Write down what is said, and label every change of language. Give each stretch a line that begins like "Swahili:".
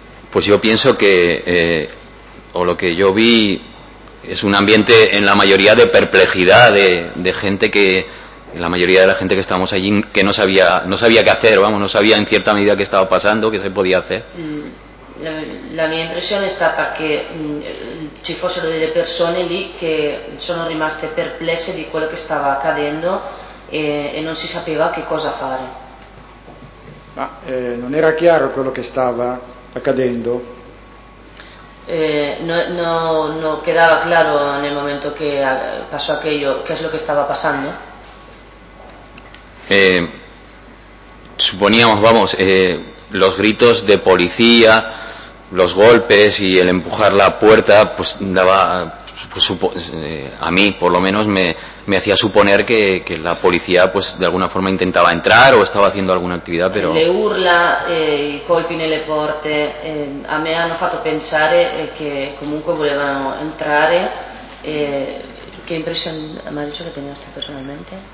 Spanish: Pues yo pienso que, o lo que yo vi, es un ambiente en la mayoría de perplejidad, de gente que, la mayoría de la gente que estábamos allí, que no sabía qué hacer, vamos, no sabía en cierta medida qué estaba pasando, qué se podía hacer.
Italian: La mia impressione è stata che ci fossero delle persone lì che sono rimaste perplesse di quello che stava accadendo e non si sapeva che cosa fare. Ma non era chiaro quello che stava accadendo? Non quedava chiaro nel momento che passò quello, che è quello che stava passando?
Spanish: Supponiamo, vamos, los gritos de policía, los golpes y el empujar la puerta, pues daba, pues, a mí por lo menos me hacía suponer que la policía, pues de alguna forma intentaba entrar o estaba haciendo alguna actividad, pero
Italian: le urla, i colpi nelle porte, a me hanno fatto pensare che comunque volevano entrare.
Spanish: ¿Qué impresión me ha dicho que tenía usted personalmente?